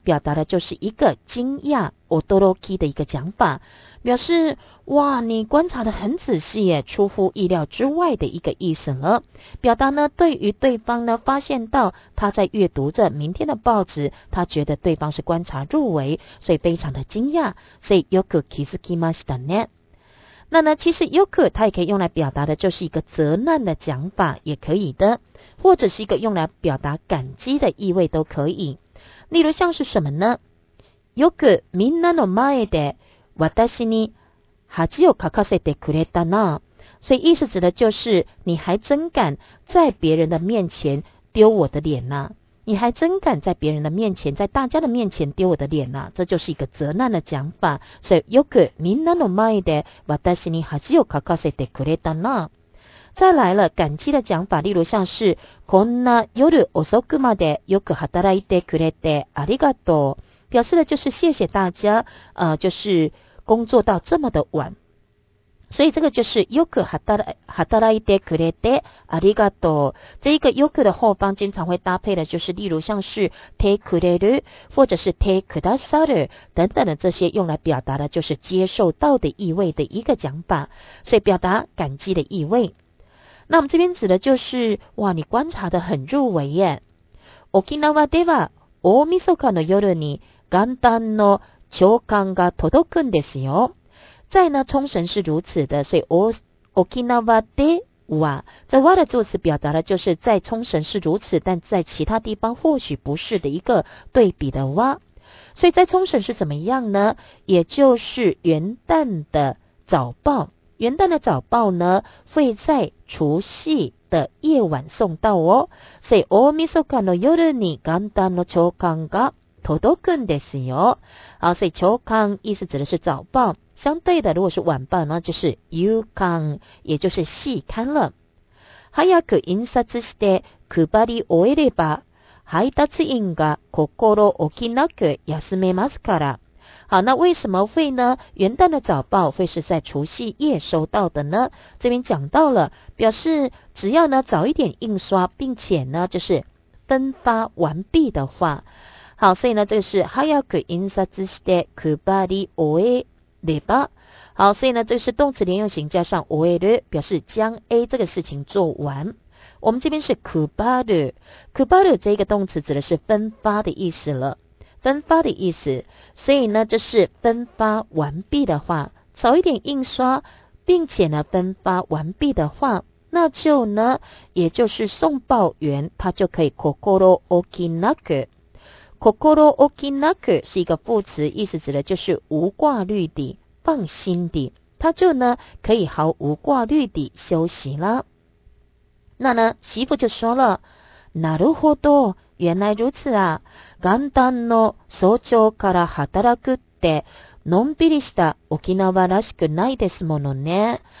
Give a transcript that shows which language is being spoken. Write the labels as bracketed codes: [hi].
[zh] 表达的就是一个惊讶，驚き的一个讲法，表示哇，你观察得很仔细耶，出乎意料之外的一个意思了。表达呢，对于对方呢，发现到他在阅读着明天的报纸，他觉得对方是观察入微，所以非常的惊讶。 [ja] 所以よく気づきましたね。 [zh] 那呢，其实よく它也可以用来表达的就是一个责难的讲法，也可以的，或者是一个用来表达感激的意味都可以。例如像是什么呢？よくみんなの前で私に恥をかかせてくれたな，所以意思指的就是你还真敢在别人的面前丢我的脸呐、啊！你还真敢在别人的面前，在大家的面前丢我的脸呐、啊！这就是一个责难的讲法。 [ja] 所以よくみんなの前で私に恥をかかせてくれたな。 [zh] 再来了，感激的讲法，例如像是こんな夜遅くまでよく働いてくれてありがとう，表示的就是谢谢大家，就是工作到这么的晚，所以这个就是よく働いてくれてありがとう。这一个よく的后方经常会搭配的就是例如像是てくれる或者是てくださる等等的，这些用来表达的就是接受到的意味的一个讲法，所以表达感激的意味。那我们这边指的就是哇，你观察得很入微耶。 [ja] 沖縄では大晦日の夜に元旦の朝刊が届くんですよ。 [zh] 在呢，冲绳是如此的，所以沖縄では，这わ的助词表达的就是在冲绳是如此，但在其他地方或许不是的一个对比的わ。所以在冲绳是怎么样呢？也就是元旦的早报，元旦的早报呢会在除夕的夜晚送到哦。 [ja] 所以大晦日の夜に元旦の朝刊が届くんですよ。 [zh] 好，所以朝刊意思指的是早报，相对的如果是晚报呢就是夕刊，也就是细刊了。 [ja] 早く印刷して配り終えれば配達員が心置きなく休めますから。 [zh] 好，那为什么会呢？元旦的早报会是在除夕夜收到的呢？这边讲到了，表示只要呢早一点印刷，并且呢就是分发完毕的话。 [ja] 好，所以呢这个是早く印刷して配り終えれば。 [zh] 好，所以呢这个是动词连用型加上終える，表示将 A 这个事情做完。我们这边是配る这个动词指的是分发的意思了，分发的意思，所以呢这是分发完毕的话，早一点印刷并且呢分发完毕的话，那就呢也就是送报员他就可以心置きなく是一个副词，意思指的就是无挂虑地放心地，他就呢可以毫无挂虑地休息啦。 [ja] 那呢媳妇就说了，なるほど，原来如此啊，元旦の早朝から働くってのんびりした沖縄らしくないですものね。